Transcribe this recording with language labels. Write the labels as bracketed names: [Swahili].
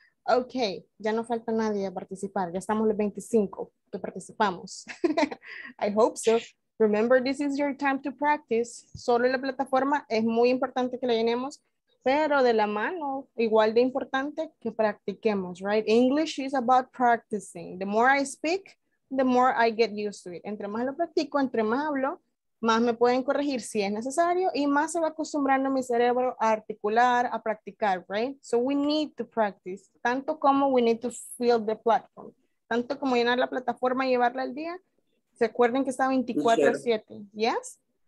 [Spanish] Okay, ya no falta nadie a participar. Ya estamos los 25 que participamos. [English] I hope so. Remember, this is your time to practice. [Spanish] Solo la plataforma es muy importante que la llenemos, pero de la mano, igual de importante que practiquemos, right? [English] English is about practicing. The more I speak, the more I get used to it. [Spanish] Entre más lo practico, entre más hablo, más me pueden corregir si es necesario y más se va acostumbrando mi cerebro a articular, a practicar, right? [English] So we need to practice, [Spanish] tanto como [English] we need to fill the platform, [Spanish] tanto como llenar la plataforma y llevarla al día. Se acuerden que está 24/7, yes?